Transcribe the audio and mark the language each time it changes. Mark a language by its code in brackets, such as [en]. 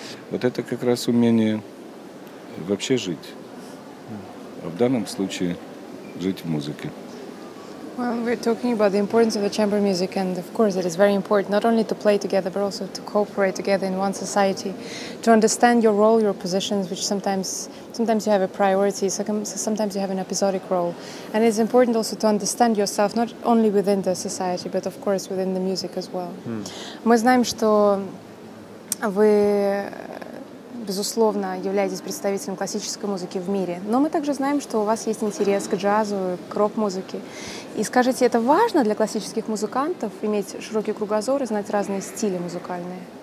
[ru] Вот это как раз умение вообще жить, а в данном случае жить в музыке. [en] Well, we're talking about the importance of the chamber music, and of course it is very important not only to play together but also to cooperate together in one society, to understand your role, your positions, which sometimes you have a priority, sometimes you have an episodic role. And it's important also to understand yourself not only within the society, but of course within the music as well. [ru] Мы знаем, что вы, безусловно, являетесь представителем классической музыки в мире. Но мы также знаем, что у вас есть интерес к джазу, к рок-музыке. И скажите, это важно для классических музыкантов иметь широкий кругозор и знать разные стили музыкальные?